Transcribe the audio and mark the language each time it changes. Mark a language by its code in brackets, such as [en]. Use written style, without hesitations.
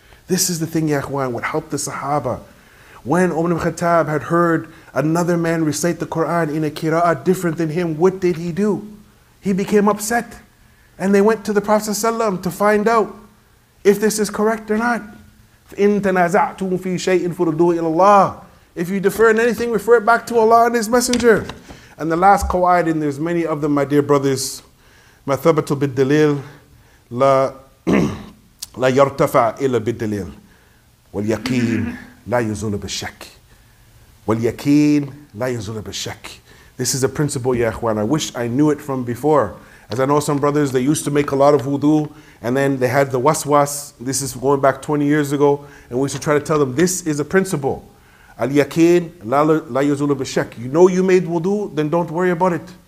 [en] This is the thing, ya ikhwan, what helped the Sahaba. When Ibn Khattab had heard another man recite the Quran in a qira'ah different than him, what did he do? He became upset. And they went to the Prophet ﷺ to find out if this is correct or not. [ar] إِن تَنَازَعْتُمْ فِي شَيْءٍ فُرُدُّهُ إِلَى اللَّهِ. [en] If you defer in anything, refer it back to Allah and His Messenger. And the last qawaid, and there's many of them, my dear brothers, [ar] مَا ثَبَتُ بِالدَّلِيلِ لَا يَرْتَفَعْ إِلَّا بِالدَّلِيلِ وَالْيَقِينِ لَا يُزُولُ بِالشَّكِّ وَالْيَقِينِ لَا يُزُولُ بِالشَّكِّ. [en] This is a principle, ya ikhwan. I wish I knew it from before. As I know some brothers, they used to make a lot of wudu, and then they had the waswas. This is going back 20 years ago, and we used to try to tell them, this is a principle. [ar] Al-yakin, la yuzulu bishak. [en] You know you made wudu, then don't worry about it.